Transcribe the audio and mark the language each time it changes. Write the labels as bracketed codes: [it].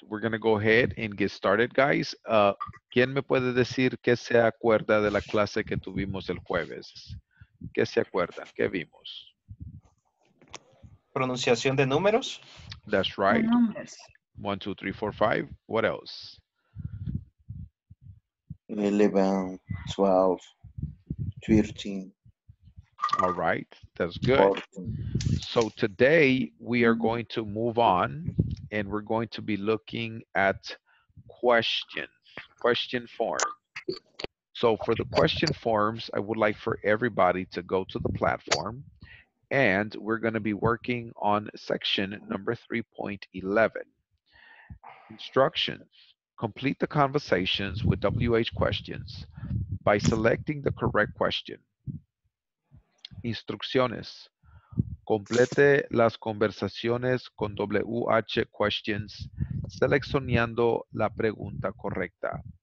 [en] We're going to go ahead and get started, guys. [es] ¿Quién me puede decir qué se acuerda de la clase que tuvimos el jueves? ¿Qué se acuerda? ¿Qué vimos? Pronunciación de números. [en] That's right. 1, 2, 3, 4, 5. What else? 11, 12, 13. All right, that's good. 14. So today we are going to move on and we're going to be looking at questions, question form. So for the question forms, I would like for everybody to go to the platform and we're going to be working on section number 3.11. Instructions. Complete the conversations with WH questions by selecting the correct question. [es] Instrucciones. Complete las conversaciones con WH questions seleccionando la pregunta correcta.